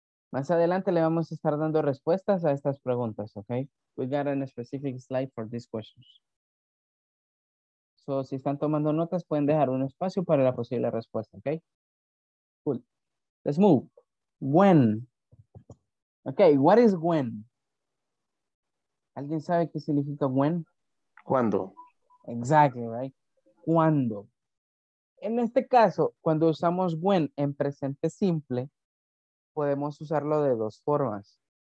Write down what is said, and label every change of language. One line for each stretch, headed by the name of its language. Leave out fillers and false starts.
Spanish: Más adelante le vamos a estar dando respuestas a estas preguntas, okay?
English: We got a specific slide for these questions.
Spanish: So, si están tomando notas, pueden dejar un espacio para la posible respuesta, okay?
English: Cool. Let's move. When. Okay, what is when?
Spanish: ¿Alguien sabe qué significa when? ¿Cuándo?
English: Exactly, right?
Spanish: ¿Cuándo? En este caso, cuando usamos when en presente simple, podemos usarlo de dos formas.